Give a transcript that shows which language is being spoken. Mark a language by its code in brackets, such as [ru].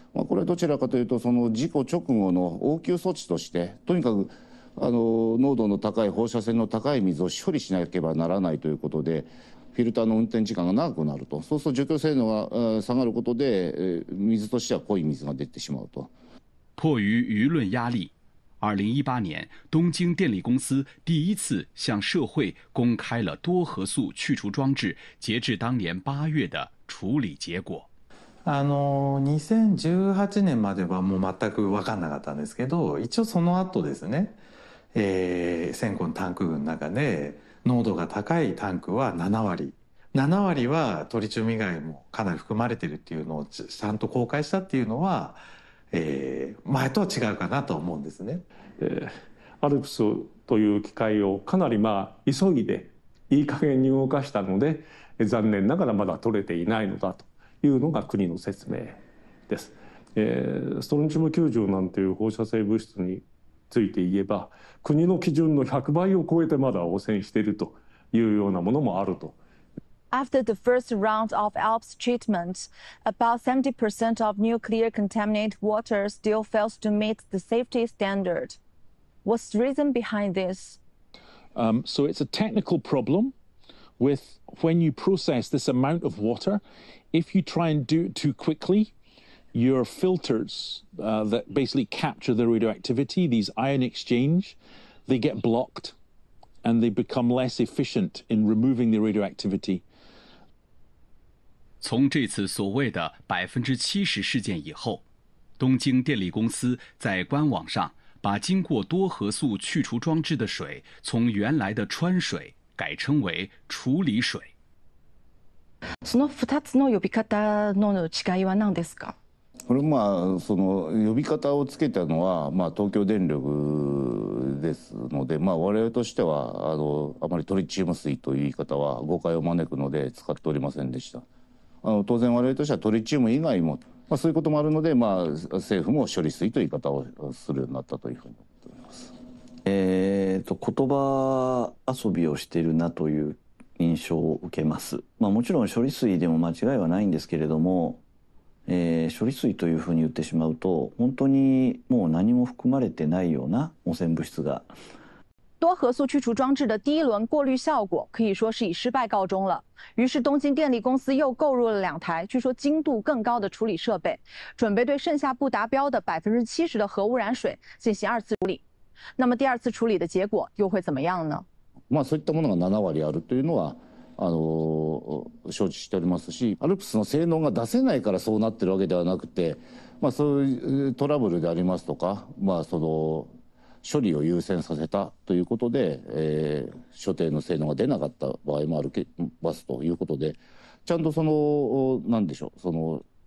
[ja] これはどちらかというとその事故直後の応急措置として、とにかく濃度の高い放射線の高い水を処理しなければならないということで、フィルターの運転時間が長くなると、そうすると除去性能が下がることで水としては濃い水が出てしまうと。 [zh] 迫于舆论压力，2018年东京电力公司第一次向社会公开了多核素去除装置截至当年8月的处理结果。 [ja] 2018年まではもう全く分かんなかったんですけど、一応その後ですね、線香のタンク群の中で濃度が高いタンクは7割はトリチウム以外もかなり含まれているっていうのをちゃんと公開したっていうのは、前とは違うかなと思うんですね。アルプスという機械をかなり急いでいい加減に動かしたので、残念ながらまだ取れていないのだというのが国の説明です。ストロンチウム90なんていう放射性物質について言えば、国の基準の100倍を超えてまだ汚染しているというようなものもあると。 [en] After the first round of ALPS treatment, about 70% of nuclear contaminated water still fails to meet the safety standard. What's the reason behind this? So it's a technical problem with when you process this amount of water. If you try and do it too quickly,your filters that basically capture the radioactivity, these ion exchange, they get blocked and they become less efficient in removing the radioactivity. [zh] 从这次所谓的 70% 事件以后，东京电力公司在官网上把经过多核素去除装置的水从原来的川水改称为处理水。 [ja] その2つの呼び方の違いは何ですか？これまあその呼び方をつけたのは東京電力ですので、我々としてはあまりトリチウム水という言い方は誤解を招くので使っておりませんでした。当然我々としてはトリチウム以外もそういうこともあるので、政府も処理水という言い方をするようになったというふうに思っております。言葉遊びをしているなという印象を受けます。もちろん処理水でも間違いはないんですけれども、処理水というふうに言ってしまうと本当にもう何も含まれてないような汚染物質が。 [zh] 多核素去除装置的第一轮过滤效果可以说是以失败告终了。于是东京电力公司又购入了两台据说精度更高的处理设备，准备对剩下不达标的 70% 的核污染水进行二次处理。那么第二次处理的结果又会怎么样呢？ [ja] そういったものが7割あるというのは承知しておりますし、アルプスの性能が出せないからそうなってるわけではなくて、そういうトラブルでありますとか、その処理を優先させたということで、所定の性能が出なかった場合もありますということで、ちゃんとその何でしょう、その